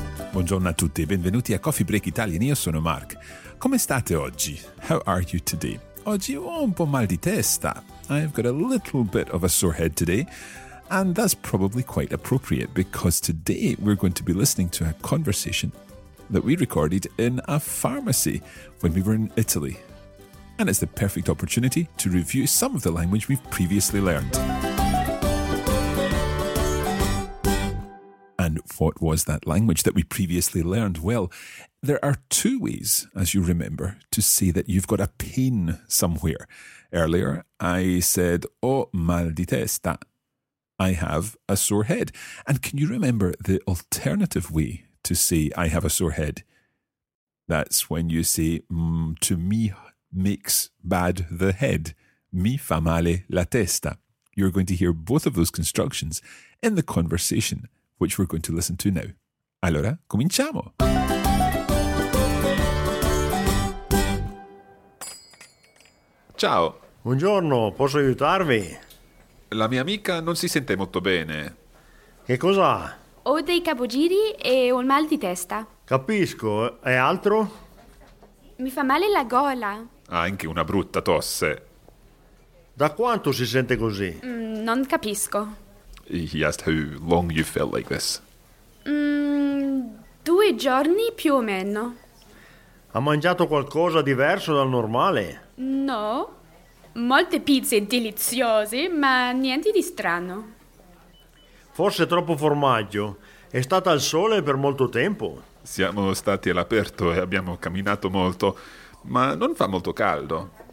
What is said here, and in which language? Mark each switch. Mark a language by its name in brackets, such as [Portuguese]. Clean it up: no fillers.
[Italian] Buongiorno a tutti e benvenuti a Coffee Break Italian. Io sono Mark. Come state oggi? [English] How are you today? [Italian] Oggi ho un po' mal di testa. [English] I've got a little bit of a sore head today. And that's probably quite appropriate because today we're going to be listening to a conversation that we recorded in a pharmacy when we were in Italy. And it's the perfect opportunity to review some of the language we've previously learned. And what was that language that we previously learned? Well, there are two ways, as you remember, to say that you've got a pain somewhere. Earlier, I said, oh, [Italian] mal di testa. [English] I have a sore head. And can you remember the alternative way to say I have a sore head? That's when you say, to me makes bad the head. [Italian] Mi fa male la testa. [English] You're going to hear both of those constructions in the conversation, which we're going to listen to now. [Italian] Allora, cominciamo! Ciao! Buongiorno, posso aiutarvi? La mia amica non si sente molto bene. Che cosa ha? Ho dei capogiri e ho un mal di testa. Capisco, e altro? Mi fa male la gola. Ha anche una brutta tosse. Da quanto si sente così? Non capisco. [English] He asked how long you felt like this. [Italian] Due giorni più o meno. Ha mangiato qualcosa diverso dal normale? No. Molte pizze deliziose, ma niente di strano. Forse troppo formaggio. È stata al sole per molto tempo. Siamo stati all'aperto e abbiamo camminato molto, ma non fa molto caldo.